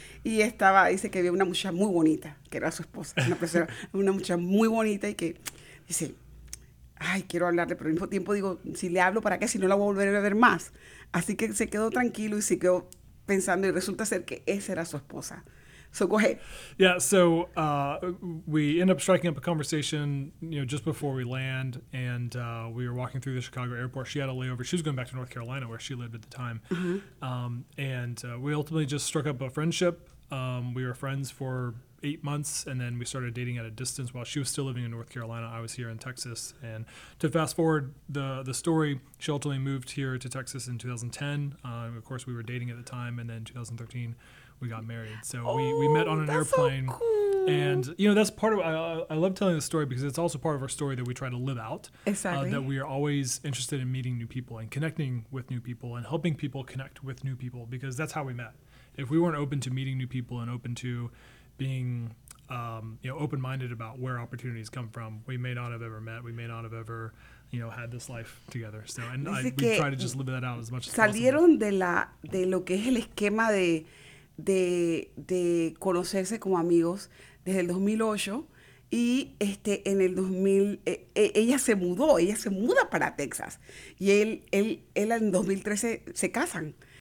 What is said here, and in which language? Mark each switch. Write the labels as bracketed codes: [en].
[es] Y estaba, dice que había una muchacha muy bonita, que era su esposa, una muchacha muy bonita y que dice, ay, quiero hablarle, pero al mismo tiempo digo, si le hablo, ¿para qué? Si no la voy a volver a ver más. Así que se quedó tranquilo y se quedó pensando, y resulta ser que esa era su esposa. [en] So go ahead. Yeah, so we end up striking up a conversation, you know, just before we land, and we were walking through the Chicago airport. She had a layover. She was going back to North Carolina, where she lived at the time. Mm-hmm. We ultimately just struck up a friendship. We were friends for 8 months, and then we started dating at a distance while she was still living in North Carolina. I was here in Texas. And to fast forward the story, she ultimately moved here to Texas in 2010. Of course, we were dating at the time, and then 2013, we got married. So we met on an airplane. That's so cool. And, you know, that's part of, I love telling the story because it's also part of our story that we try to live out. Exactly. That we are always interested in meeting new people and connecting with new people and helping people connect with new people because that's how we met. If we weren't open to meeting new people and open to being open-minded about where opportunities come from, we may not have ever met, we may not have ever, you know, had this life together. So, and we try to just live that out as much as possible. [es] Salieron de lo que es el esquema de conocerse como amigos desde el 2008, y en el 2000, ella se muda para Texas, y él en 2013 se casan.